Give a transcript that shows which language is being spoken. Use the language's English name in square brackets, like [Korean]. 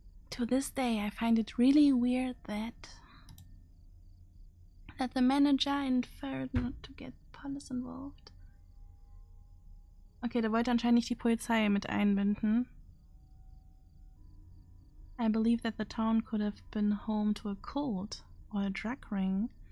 [English] To this day, I find it really weird that the manager inferred not to get police involved. [German] Okay, der wollte anscheinend nicht die Polizei mit einbinden. [English] I believe that the town could have been home to a cult or a drug ring.